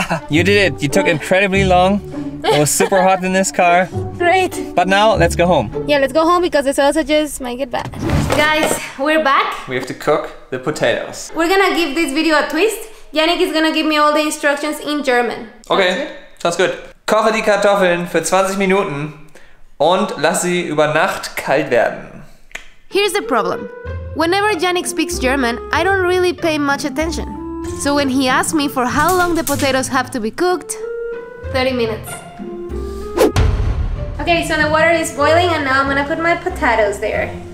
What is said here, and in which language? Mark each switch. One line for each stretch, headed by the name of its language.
English: You did it. You took incredibly long. It was super hot in this car. Great. But now, let's go home. Yeah, let's go home because the sausages might get bad. Guys, we're back. We have to cook the potatoes. We're gonna give this video a twist. Yannick is gonna give me all the instructions in German. Okay, sounds good.
German: Koche die Kartoffeln für 20 Minuten und lass sie über Nacht kalt werden.
English: Here's the problem. Whenever Yannick speaks German, I don't really pay much attention. So when he asks me for how long the potatoes have to be cooked... 30 minutes. Okay, so the water is boiling and now I'm gonna put my potatoes there.